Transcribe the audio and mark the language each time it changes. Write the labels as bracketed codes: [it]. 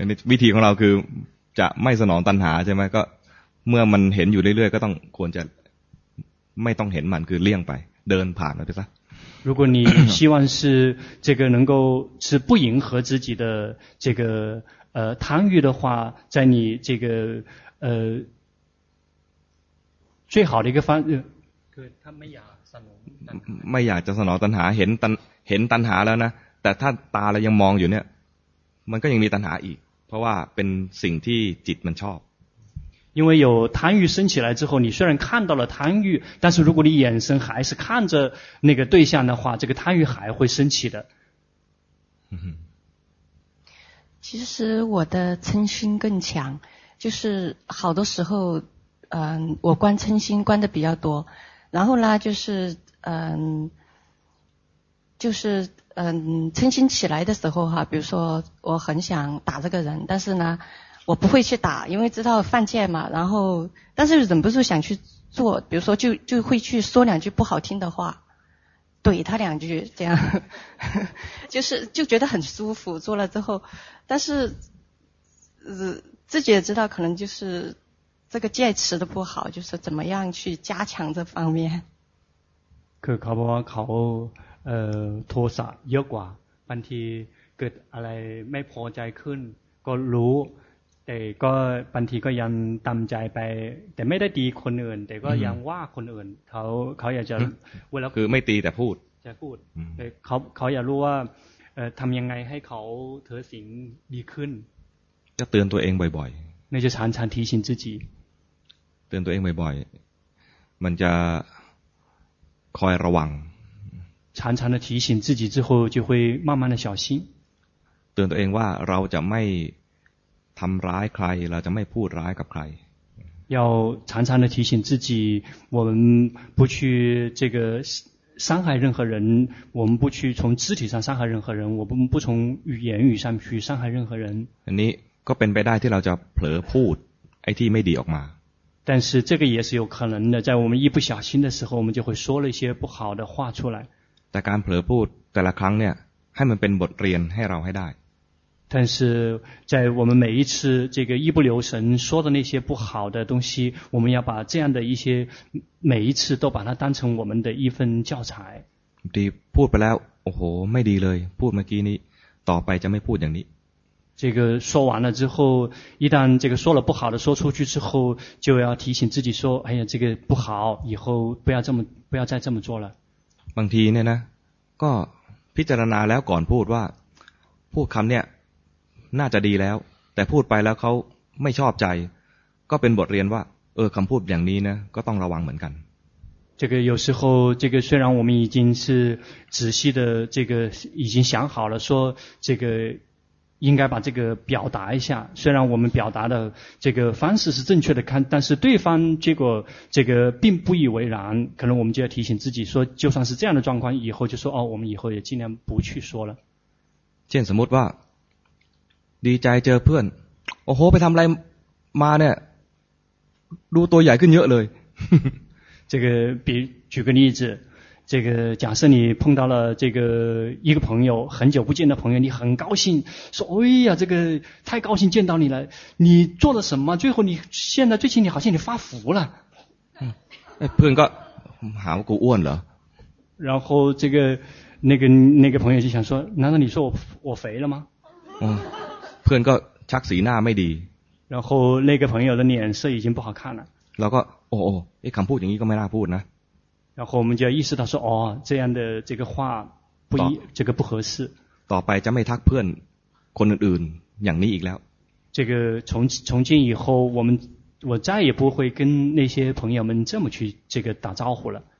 [th] วิธีของเราคือจะไม่สนองตัณหาใช่ไหมก็เมื่อมันเห็นอยู่เรื่อยๆก็ต้องควรจะไม่ต้องเห็นมันคือเลี่ยงไปเดินผ่านมันไปซะ [zh] 如果你希望是这个能够是不迎合自己的这个贪欲的话在你这个最好的一个方式 [th] คือถ้าไม่อยากสนอง ไม่อยากจะสนองตัณหาเห็นตัณหาแล้วนะแต่ถ้าตาเรายังมองอยู่เนี่ยมันก็ยังมีตัณหาอีกเพราะว่าเป็นสิ่งที่จิตมันชอบ [zh] 因为有贪欲升起来之后你虽然看到了贪欲但是如果你眼神还是看着那个对象的话这个贪欲还会升起的其实我的嗔心更强就是好多时候我观嗔心观的比较多然后呢就是嗔心起来的时候哈比如说我很想打这个人但是呢我不会去打因为知道犯贱嘛然后但是忍不住想去做比如说就会去说两句不好听的话怼他两句这样就是就觉得很舒服做了之后但是自己也知道可能就是这个戒持的不好就是怎么样去加强这方面 [th] คือเขาบอกว่าเขาโทสะเยอะกว่าบางทีเกิดอะไรไม่พอใจขึ้นก็รู้แต่ก็บางทีก็ยังตำใจไปแต่ไม่ได้ตีคนอื่นแต่ก็ยังว่าคนอื่นเขาอยากจะ เวลาคือไม่ตีแต่พูด จะพูดเขาอยากรู้ว่าทำยังไงให้เขาเถิดสิงดีขึ้น จะเตือนตัวเองบ่อย [zh] ๆ那就常常提醒自己 [th] เตือนตัวเองบ่อยๆมันจะคอยระวัง [zh] 常常的提醒自己之后就会慢慢的小心 [th] เตือนตัวเองว่าเราจะไม่ทำร้ายใครเราจะไม่พูดร้ายกับใคร [zh] 要常常的提醒自己我们不去这个伤害任何人我们不去从肢体上伤害任何人我们不从言语上去伤害任何人 [th] อันนี้ก็เป็นไปได้ที่เราจะเผลอพูดไอ้ที่ไม่ดีออกมา [zh] 但是这个也是有可能的在我们一不小心的时候我们就会说了一些不好的话出来 [th] แต่การเผลอพูดแต่ละครั้งเนี่ยให้มันเป็นบทเรียนให้เราให้ได้ [zh] 但是在我们每一次这个一不留神说的那些不好的东西我们要把这样的一些每一次都把它当成我们的一份教材 [th] ดีพูดไปแล้วโอ้โหไม่ดีเลยพูดเมื่อกี้นี้ต่อไปจะไม่พูดอย่างนี้ [zh] 这个说完了之后一旦这个说了不好的说出去之后就要提醒自己说哎呀这个不好以后不要再这么做了 [th] บางทีเนี่ยนะก็พิจารณาแล้วก่อนพูดว่าพูดคำเนี่ยน่าจะดีแล้วแต่พูดไปแล้วเขาไม่ชอบใจก็เป็นบทเรียนว่าคำพูดอย่างนี้นะก็ต้องระวังเหมือนกัน [zh] 这个有时候这个虽然我们已经是仔细的这个已经想好了说这个应该把这个表达一下虽然我们表达的这个方式是正确的看但是对方结果这个并不以为然可能我们就要提醒自己说就算是这样的状况以后就说哦我们以后也尽量不去说了见什么吧 [th] ดีใจเจอเพื่อนโอ้โหไปทำอะไรมาเนี่ยดูตัวใหญ่ขึ้นเยอะเลย [zh] 这个比举个例子这个假设你碰到了这个一个朋友很久不见的朋友你很高兴说哎呀这个太高兴见到你了你做了什么最后你现在最近你好像你发福了哎朋友还不够问了然后这个那个朋友就想说难道你说我肥了吗朋友就 [th] ชักสีหน้าไม่ดี [zh] 然后那个朋友的脸色已经不好看了。 [th] แล้วก็โอ้โอ้ไอ้คำพูดอย่างนี้ก็ไม่น่าพูดนะ。 [zh] 然后我们就意识到说哦这样的这个话不一这个不合适。 [th] ต่อไปจะไม่ทักเพื่อนคนอื่นๆอย่างนี้อีกแล้ว。 [zh] 这个从今以后我再也不会跟那些朋友们这么去这个打招呼了。